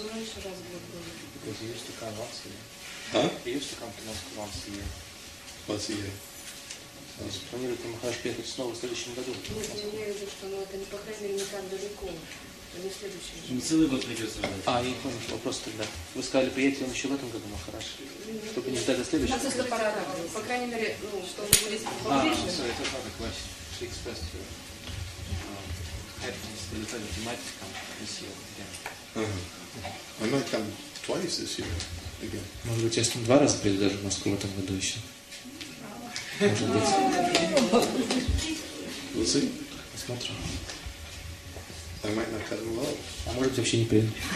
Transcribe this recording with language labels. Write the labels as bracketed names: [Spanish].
[English] Because you used to come once a year. Huh? You used to come to Moscow once a year. Once a year. [Russian] Планирует ли Махараш приехать снова в следующем году? Я имею в виду, что это, по крайней мере, не так далеко. Не следующий. Не целый год придется ждать. Я понял, что вопрос тогда. Вы сказали, приедет ли он еще в этом году, Махараш? Чтобы не ждать до следующего. У нас есть аппарат. По крайней мере, ну, чтобы вы здесь поближе. Sorry, это правда, Квасин. [English] She expressed her happiness that he might come this year again. I might come twice this year again. [Russian] Может быть, я с ним два раза приеду даже в Москву в этом году еще. [English] We'll see. [Russian] Посмотрим. [English] I might not cut him off. [Russian] А может вообще не приеду.